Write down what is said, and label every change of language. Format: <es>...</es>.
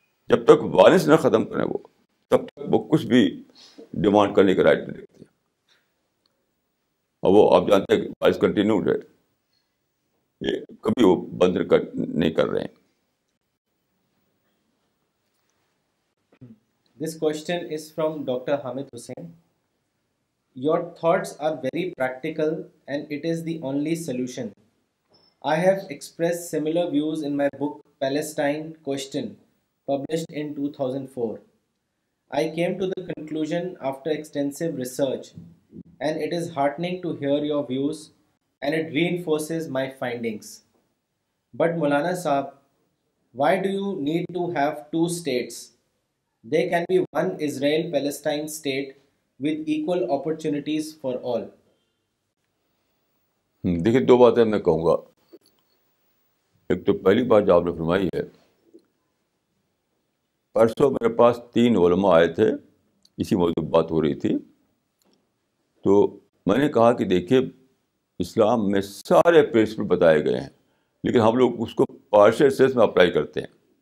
<ur>جب تک وائلنس نہ ختم کریں وہ, تب تک وہ کچھ بھی ڈیمانڈ کرنے کا رائٹ نہیں رکھتے. اور وہ آپ جانتے ہیں کہ وائلنس کنٹینیوڈ ہے, یہ کبھی وہ بند نہیں کر رہے ہیں.</ur> <en>This question is from Dr. Hamid Hussain. Your thoughts are very practical and it is the only solution. I have expressed similar views in my book Palestine Question, published in 2004. I came to the conclusion after extensive research and it is heartening to hear your views and it reinforces my findings. But Maulana Sahab, why do you need to have two states? There can be one Israel-Palestine state with equal opportunities for all.</en> <ur>دیکھیے دو باتیں میں کہوں گا. ایک تو پہلی بات جو آپ نے فرمائی ہے, پرسوں میرے پاس تین علماء آئے تھے, اسی موضوع بات ہو رہی تھی, تو میں نے کہا کہ دیکھیے اسلام میں سارے پرنسپل بتائے گئے ہیں لیکن ہم لوگ اس کو پارشل سینس میں اپلائی کرتے ہیں.</ur>